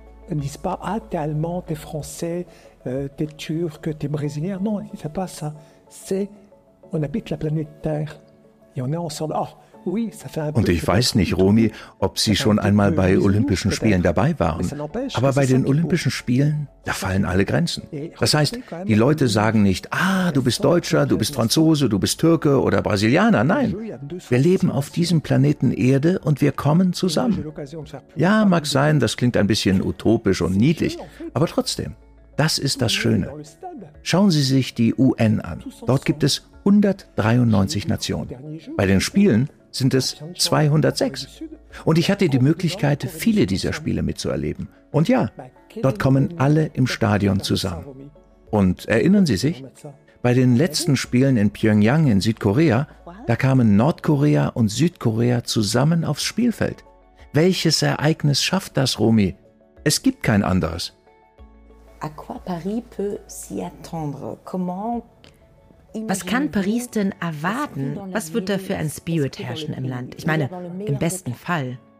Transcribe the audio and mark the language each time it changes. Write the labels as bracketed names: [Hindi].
[French] N'disent pas « Ah, t'es allemand, t'es français, t'es turc, t'es brésilien ». Non, c'est pas ça. C'est « On habite la planète Terre et on est ensemble ». Oh, oui, ça fait un peu... [German] Und ich weiß nicht, Romy, ob Sie schon einmal bei Olympischen Spielen dabei waren. Aber bei den Olympischen Spielen, da fallen alle Grenzen. Das heißt, die Leute sagen nicht « Ah, du bist Deutscher, du bist Franzose, du bist Türke oder Brasilianer ». Nein, wir leben auf diesem Planeten Erde und wir kommen zusammen. Ja, mag sein, das klingt ein bisschen utopisch und niedlich, aber trotzdem, das ist das Schöne. Schauen Sie sich die UN an. Dort gibt es 193 Nationen. Bei den Spielen sind es 206. Und ich hatte die Möglichkeit, viele dieser Spiele mitzuerleben. Und ja, dort kommen alle im Stadion zusammen. Und erinnern Sie sich? Bei den letzten Spielen in Pyongyang in Südkorea, da kamen Nordkorea und Südkorea zusammen aufs Spielfeld. Welches Ereignis schafft das, Romy? Es gibt kein anderes. [French] À quoi Paris peut s'y attendre? Comment... [German] Was kann Paris denn erwarten? Was wird da für ein Spirit herrschen im Land? Ich meine, im besten Fall.